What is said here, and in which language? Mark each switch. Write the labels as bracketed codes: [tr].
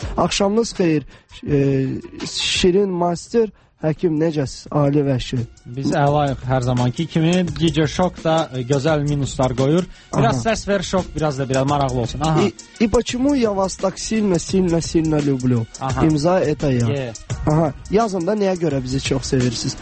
[az] Axşamınız xeyir, Şirin Master, həkim necəsiz, Ali Vəşi? Biz əlayıq hər zamanki kimi, DJ Shock da gözəl minuslar qoyur. Biraz səs ver, Shock biraz da biraz maraqlı olsun. Aha. [ru] И почему я вас так сильно, сильно, сильно люблю? [az] Aha. İmza это я. Aha, yazın da nəyə görə bizi çox sevirsiniz?